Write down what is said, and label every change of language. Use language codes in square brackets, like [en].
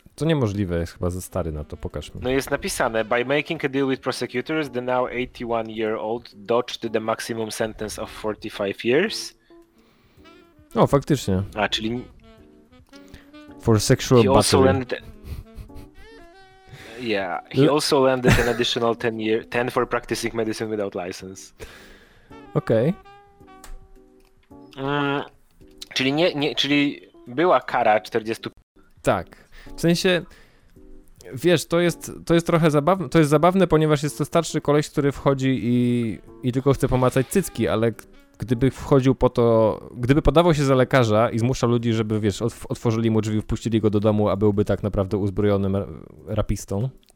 [pl] To niemożliwe, jest chyba za stary na to, pokaż mi. No jest napisane, [en] by making a deal with prosecutors, the now 81-year-old dodged the maximum sentence of 45 years. [pl] O, faktycznie. A, czyli... [en] For sexual battery. Landed... Yeah, he also landed an additional 10 for practicing medicine without license. [pl] Okej. [en] Okay. [pl] Czyli nie, czyli była kara 45... Tak. W sensie, wiesz, to jest trochę zabawne, to jest zabawne, ponieważ jest to starszy koleś, który wchodzi i tylko chce pomacać cycki, ale gdyby wchodził po to, gdyby podawał się za lekarza i zmuszał ludzi, żeby, wiesz, otworzyli mu drzwi, wpuścili go do domu, a byłby tak naprawdę uzbrojonym rapistą.